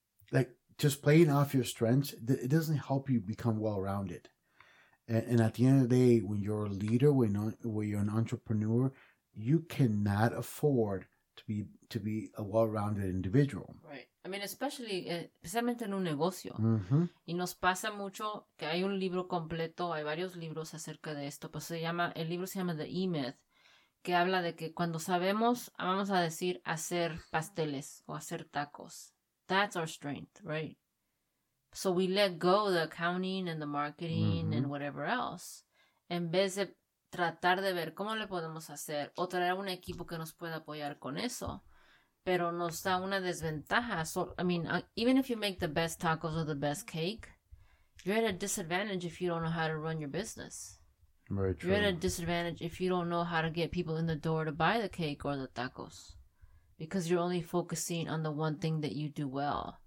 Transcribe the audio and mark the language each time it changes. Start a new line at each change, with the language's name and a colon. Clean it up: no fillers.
English: Like, just playing off your strengths, it doesn't help you become well-rounded. And at the end of the day, when you're a leader, when you're an entrepreneur, you cannot afford to be a well-rounded individual. Right. I mean,
Spanish: especialmente en un negocio. Mm-hmm. Y nos pasa mucho que hay un libro completo, hay varios libros acerca de esto, pero el libro se llama The E-Myth, que habla de que cuando sabemos, vamos a decir, hacer pasteles o hacer tacos.
English: That's our strength, right? So we let go of the accounting and the marketing mm-hmm. and whatever else.
Spanish: En vez de tratar de ver cómo le podemos hacer o traer un equipo que nos pueda apoyar con eso, pero nos da una desventaja.
English: So, I mean, even if you make the best tacos or the best cake, you're at a disadvantage if you don't know how to run your business. Very true. You're at a disadvantage if you don't know how to get people in the door to buy the cake or the tacos because you're only focusing on the one thing that you do well.